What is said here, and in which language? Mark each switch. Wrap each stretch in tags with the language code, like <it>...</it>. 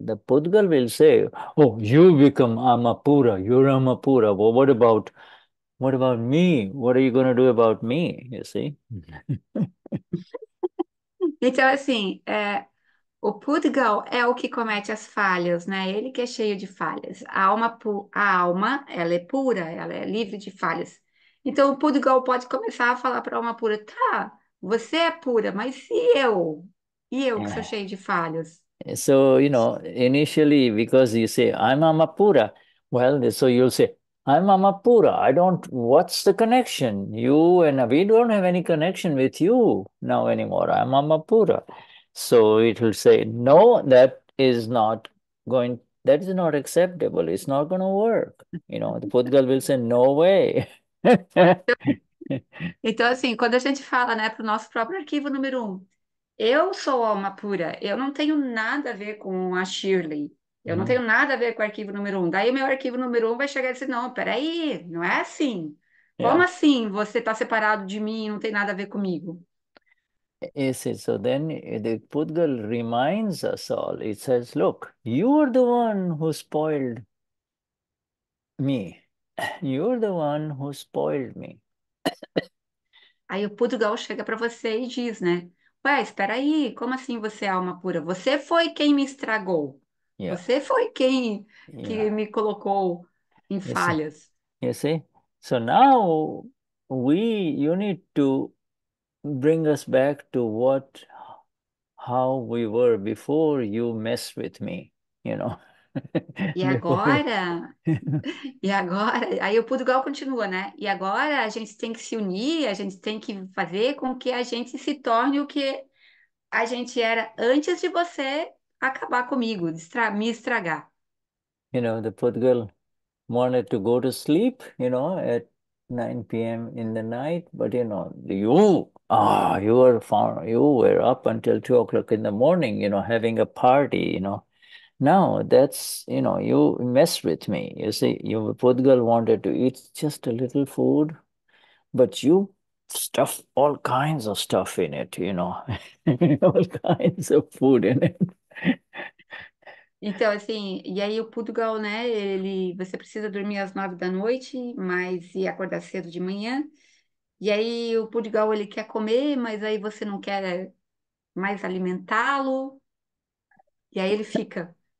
<en>The Pudgal will say, oh, you become Amapura, you're Amapura. Well, what about me? What are you going to do about me? You see?</en> <pt>Então, assim, O Pudgal é o que comete as falhas, né? Ele que é cheio de falhas. A alma, ela é pura, ela é livre de falhas. Então o Pudgal pode começar a falar para a alma pura: tá, você é pura, mas e eu que sou cheio de falhas?</pt> <en>So, you know, initially, because you say, I'm Amapura, well, so you'll say, I'm Amapura, I don't, what's the connection? You and we don't have any connection with you now anymore. I'm Amapura. So it will say, no, that is not acceptable. It's not going to work. You know, the Pudgal will say, no way.</en> <pt>Então, assim, quando a gente fala, né, para o nosso próprio arquivo número 1, eu sou alma pura, eu não tenho nada a ver com a Shirley, eu não tenho nada a ver com o arquivo número 1. Daí meu arquivo número 1 vai chegar e dizer: não, peraí, não é assim. Como assim você está separado de mim e não tem nada a ver comigo?</pt> <en>So then the Pudgal reminds us all. It says, look, you're the one who spoiled me. You're the one who spoiled me.</en> <pt>Aí o Pudgal chega para você e diz, né? Ué, espera aí, como assim você é alma pura? Você foi quem me estragou. Você foi quem que me colocou em falhas.</pt> <en>You see? So now you need to bring us back to how we were before you mess with me, you know. Before.</en> <pt>E agora, aí o Pudgal continua, né? E agora a gente tem que se unir, a gente tem que fazer com que a gente se torne o que a gente era antes de você acabar comigo, me estragar.</pt> <en>You know, the Pudgal wanted to go to sleep, you know, at 9 p.m. in the night, but you know, you were up until 2 o'clock in the morning, you know, having a party, you know. Now that's, you know, you mess with me. You see, you Pudgal wanted to eat just a little food, but you stuff all kinds of stuff in it, you know, all kinds of food in it.</en> <pt>Então, assim, e aí o Pudgal, né, você precisa dormir às 9 da noite, mas e acordar cedo de manhã. E aí o Pudgal, ele quer comer, mas aí você não quer mais alimentá-lo. E aí ele fica.</pt>